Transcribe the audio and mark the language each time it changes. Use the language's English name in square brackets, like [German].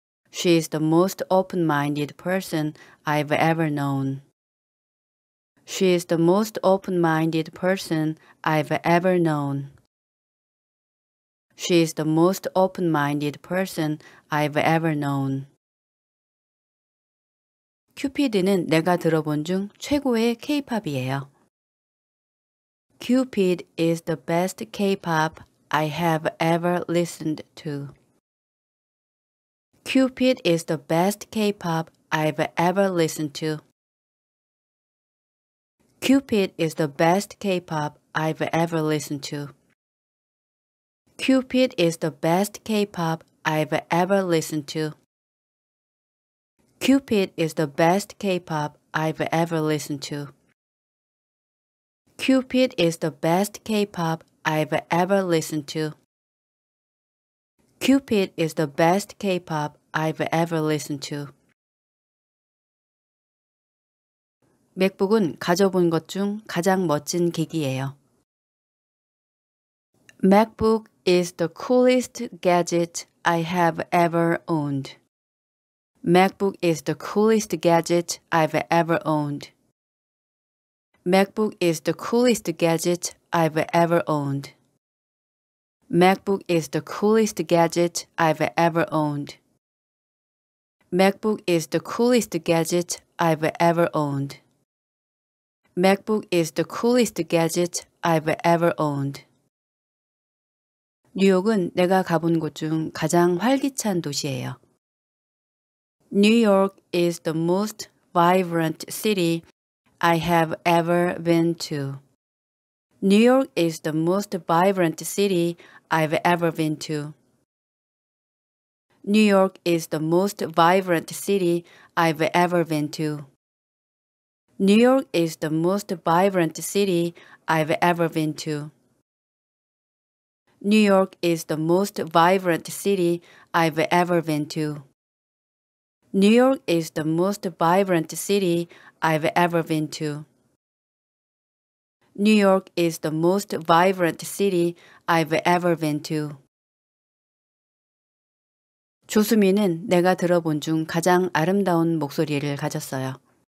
[English] She is the most open-minded person I've ever known. She is the most open-minded person I've ever known. She is the most open-minded person I've ever known. [Korean] 큐피드는 내가 들어본 중 최고의 K-POP이에요. [English] Cupid is the best K-POP I have ever listened to. Cupid is the best K-pop I've ever listened to. Cupid is the best K-pop I've ever listened to. Cupid is the best K-pop I've ever listened to. Cupid is the best K-pop I've ever listened to. Cupid is the best K-pop I've ever listened to. Cupid is the best K-pop I've ever listened to. [Korean] 맥북은 가져본 것 중 가장 멋진 기기예요. [English] MacBook is the coolest gadget I have ever owned. MacBook is the coolest gadget I've ever owned. MacBook is the coolest gadget I've ever owned. MacBook is the coolest gadget I've ever owned. MacBook is the coolest gadget I've ever owned. MacBook is the coolest gadget I've ever owned. [Korean] 뉴욕은 내가 가본 곳 중 가장 활기찬 도시예요. [English] New York is the most vibrant city I have ever been to. New York is the most vibrant city I've ever been to. New York is the most vibrant city I've ever been to. New York is the most vibrant city I've ever been to. New York is the most vibrant city I've ever been to. New York is the most vibrant city I've ever been to. New York is the most vibrant city I've ever been to. [Korean] 조수미는 내가 들어본 중 가장 아름다운 목소리를 가졌어요.